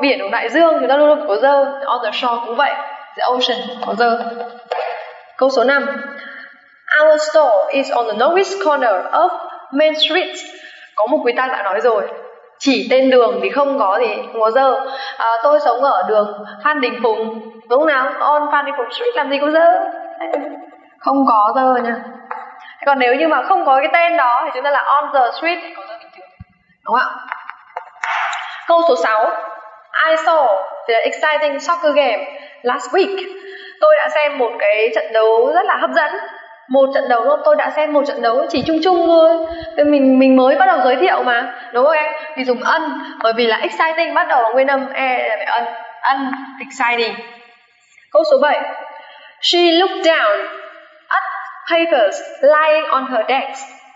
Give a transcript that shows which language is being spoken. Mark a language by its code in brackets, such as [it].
[vi] Biển ở đại dương thì nó luôn luôn có dơ, [en] on the shore [vi] cũng vậy. [en] The ocean [vi] có dơ. Câu số 5. [en] Our store is on the northeast corner of Main Street. [vi] Có một quý ta đã nói rồi. Chỉ tên đường thì không có gì, không có dơ. À, tôi sống ở đường Phan Đình Phùng. Đúng nào? On Phan Đình Phùng Street làm gì có dơ? Không có dơ nha. Còn nếu như mà không có cái tên đó thì chúng ta là [en] on the street [vi] thì có dơ bình thường. Đúng không ạ? Câu số 6. [en] I saw the exciting soccer game last week. [vi] Tôi đã xem một cái trận đấu rất là hấp dẫn. Một trận đấu thôi, tôi đã xem một trận đấu chỉ chung chung thôi. Mình mới bắt đầu giới thiệu mà. Đúng không em? Thì dùng un, bởi vì là exciting bắt đầu bằng nguyên âm e là phải un. [en] Un exciting. [vi] Câu số 7. [en] She looked down at papers lying on her desk.